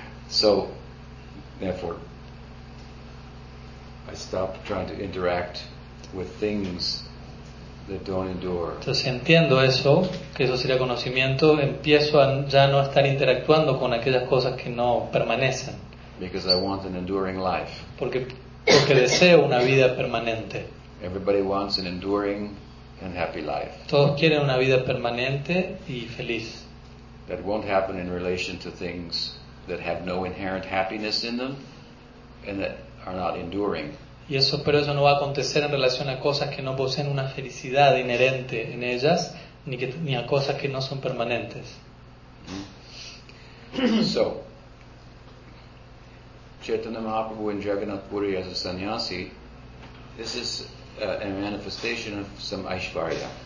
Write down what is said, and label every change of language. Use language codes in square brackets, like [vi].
[en] So, therefore, I stop trying to interact with things. [es] Entonces, entiendo eso, que eso sería conocimiento, empiezo a ya no estar interactuando con aquellas cosas que no permanecen. [en] Because I want an enduring life. [es] Porque deseo una vida permanente. [en] Everybody wants an enduring and happy life. [es] Todos quieren una vida permanente y feliz. [en] That won't happen in relation to things that have no inherent happiness in them and that are not enduring. [es] Y eso, pero eso no va a acontecer en relación a cosas que no poseen una felicidad inherente en ellas, ni a cosas que no son permanentes. [en] So, Caitanya Mahaprabhu in Jagannath Puri as a sannyasi, this is a manifestation of some Aishvarya.